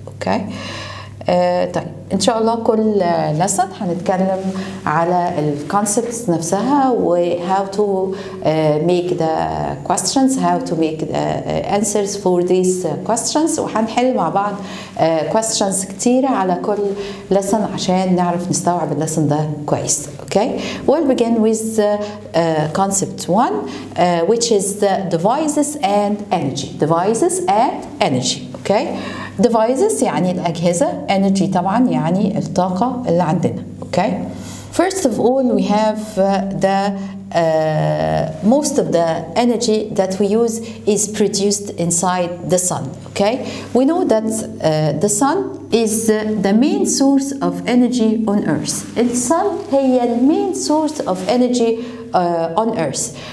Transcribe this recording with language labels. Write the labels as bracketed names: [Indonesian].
[Arabic] Okay. طيب إن شاء الله كل lesson هنتكلم على الconcepts نفسها و [English] how to make the questions, how to make the answers for these questions, [Arabic] وحنحل مع بعض questions كتيرة على كل lesson عشان نعرف نستوعب lesson ده كويس. [English] Okay, we'll begin with concept one, which is the devices and energy. Devices and energy. Okay. Devices [Arabic] يعني الأجهزة. Energy طبعا يعني الطاقة اللي عندنا. [English] Okay. First of all, we have the most of the energy that we use is produced inside the sun. Okay. We know that the sun is the main source of energy on Earth. The sun هي main source of energy on Earth.